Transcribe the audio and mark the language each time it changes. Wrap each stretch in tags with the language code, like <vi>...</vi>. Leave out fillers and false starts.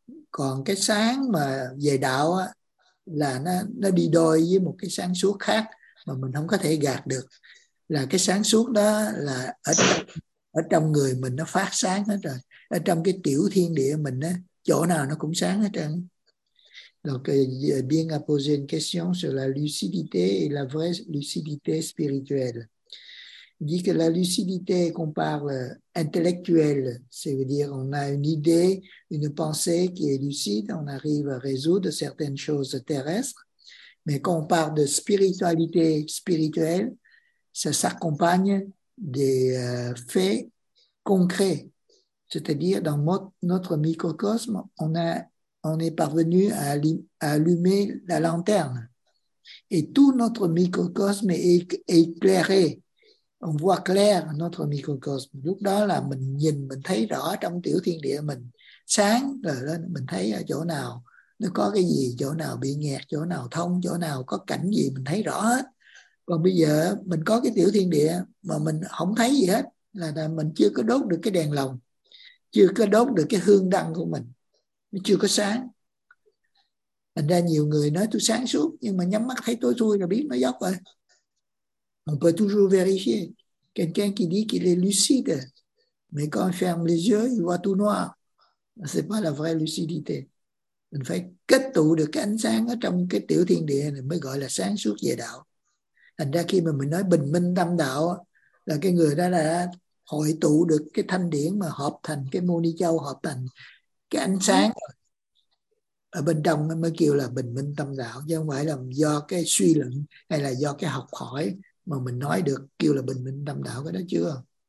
<vi>Còn cái sáng mà về đạo á, là nó đi đôi với một cái sáng suốt khác, mà mình không có thể gạt được, là cái sáng suốt đó là ở trong người mình nó phát sáng hết rồi, ở trong cái tiểu thiên địa mình á, chỗ nào nó cũng sáng hết trơn.</vi> <fr>Donc bien à poser une question sur la lucidité et la vraie lucidité spirituelle. Il dit que la lucidité qu'on parle intellectuelle, c'est-à-dire on a une idée, une pensée qui est lucide, on arrive à résoudre certaines choses terrestres, mais quand on parle de spiritualité spirituelle, ça s'accompagne des faits concrets. C'est-à-dire dans notre microcosme, on est parvenu à allumer la lanterne et tout notre microcosme est éclairé. On voit clair notre microcosme.</fr> <vi>Lúc đó là mình nhìn, mình thấy rõ trong tiểu thiên địa mình sáng rồi, lên mình thấy ở chỗ nào nó có cái gì, chỗ nào bị nghẹt, chỗ nào thông, chỗ nào có cảnh gì, mình thấy rõ hết. Còn bây giờ mình có cái tiểu thiên địa mà mình không thấy gì hết, là mình chưa có đốt được cái đèn lồng, chưa có đốt được cái hương đăng của mình, nó chưa có sáng. Thành ra nhiều người nói tôi sáng suốt nhưng mà nhắm mắt thấy tối thui là biết nó dốc rồi.</vi> <fr>On peut toujours vérifier. Quelqu'un qui dit qu'il est lucide, mais quand il ferme les yeux, il voit tout noir. Ce n'est pas la vraie lucidité.</fr> <vi>Mình phải kết tụ được cái ánh sáng ở trong cái tiểu thiên địa này mới gọi là sáng suốt về đạo. Thành ra khi mà mình nói bình minh tâm đạo, là cái người đó đã hội tụ được cái thanh điển mà hợp thành cái mô ni châu, hợp thành cái ánh sáng ở bên trong mới kêu là bình minh tâm đạo, chứ không phải là do cái suy luận hay là do cái học hỏi mà mình nói được kêu là bình minh tâm đạo cái đó chưa.</vi>